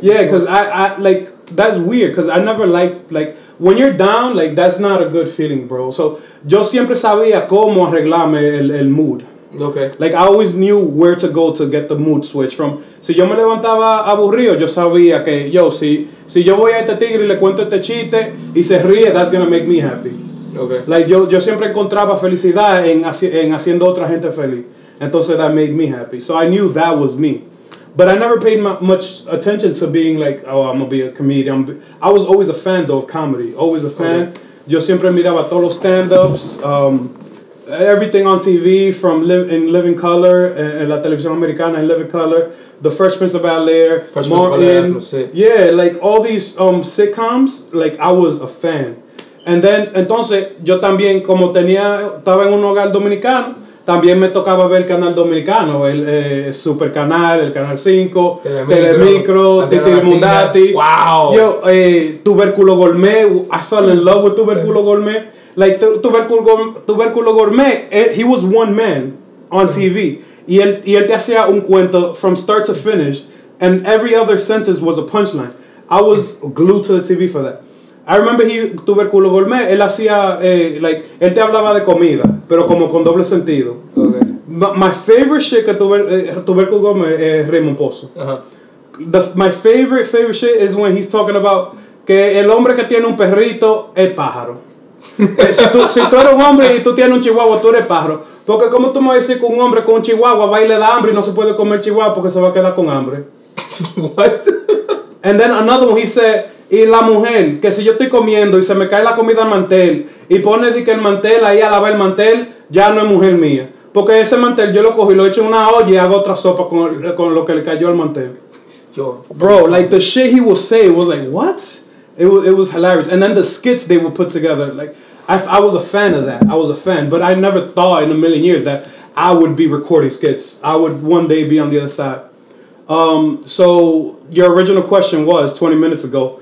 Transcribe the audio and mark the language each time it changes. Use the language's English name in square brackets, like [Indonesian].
[English] yeah, because I like, that's weird, because I never liked, like, when you're down, like, that's not a good feeling, bro. [Spanish] So yo siempre sabía cómo arreglarme el mood. [English] Okay. Like, I always knew where to go to get the mood switch from. [Spanish] Si yo me levantaba aburrido, yo sabía que, si yo voy a este tigre y le cuento este chiste y se ríe, [English] that's gonna make me happy. Okay. [Spanish] Like, yo siempre encontraba felicidad en haciendo otra gente feliz. [English] Entonces, that made me happy. So I knew that was me. But I never paid much attention to being like, oh, I'm going to be a comedian. I was always a fan, though, of comedy. Always a fan. Okay. Yo siempre miraba todos los stand-ups, everything on TV from in Living Color, [Spanish] en la televisión americana, [English] in Living Color, The Fresh Prince of Bel-Air, Martin. Yeah, like all these sitcoms, like, I was a fan. [Spanish] And then, entonces, yo también, como tenía, estaba en un hogar dominicano, también me tocaba ver el canal dominicano, el Super Canal, el Canal 5, Telemicro, Titi Mundati. ¡Wow! [English] Yo, Tubérculo Gourmet, I fell in love with Tubérculo Gourmet. Like, Tubérculo Gourmet, he was one man on TV. [Spanish] Y él te hacía un cuento [English] from start to finish, and every other sentence was a punchline. I was glued to the TV for that. I remember [Spanish] Tubérculo Gourmet, él hacía, like, él te hablaba de comida, pero como con doble sentido. [English] Okay. My favorite shit que Tubérculo Gourmet es Raymond Pozo. Uh-huh. My favorite shit is when he's talking about [Spanish] que el hombre que tiene un perrito es pájaro. si tú eres un hombre y tú tienes un chihuahua, tú eres pájaro. Porque cómo tú me vas a decir que un hombre con un chihuahua va y le da hambre y no se puede comer chihuahua porque se va a quedar con hambre. [English] What? And then another one, he said, [Spanish] y la mujer, que si yo estoy comiendo y se me cae la comida al mantel y pone que el mantel ahí a lavar el mantel, ya no es mujer mía. Porque ese mantel yo lo cogí, lo echo en una olla y hago otra sopa con lo que le cayó al mantel. Yo, [English] bro, like, the shit he would say, it was like, what? It was hilarious. And then the skits they would put together, like, I was a fan of that. I was a fan. But I never thought in a million years that I would be recording skits. I would one day be on the other side. So your original question was 20 minutes ago.